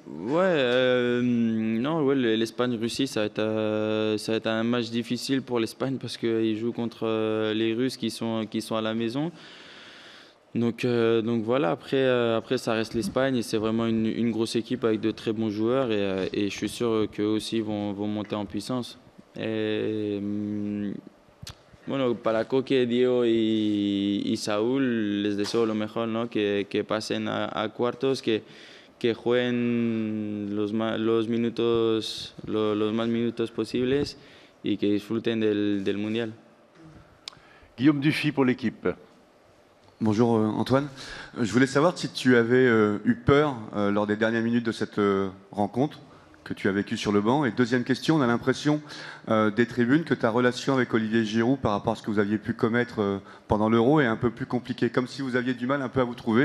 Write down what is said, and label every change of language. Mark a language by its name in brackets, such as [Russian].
[French] Ouais, l'Espagne-Russie, ça va être un match difficile pour l'Espagne parce qu'ils jouent contre les Russes qui sont à la maison. Donc, après ça reste l'Espagne et c'est vraiment une grosse équipe avec de très bons joueurs et je suis sûr qu'eux aussi vont monter en puissance. [Spanish] Para Coque, Diego y Saúl, les deseo lo mejor, ¿no? que pasen a cuartos, que jueguen los más minutos posibles y que disfruten del Mundial. [French] Guillaume Dufy pour l'équipe. Bonjour Antoine, je voulais savoir si tu avais eu peur lors des dernières minutes de cette rencontre, que tu as vécu sur le banc. Et deuxième question, on a l'impression des tribunes que ta relation avec Olivier Giroud par rapport à ce que vous aviez pu commettre pendant l'Euro est un peu plus compliquée, comme si vous aviez du mal un peu à vous trouver.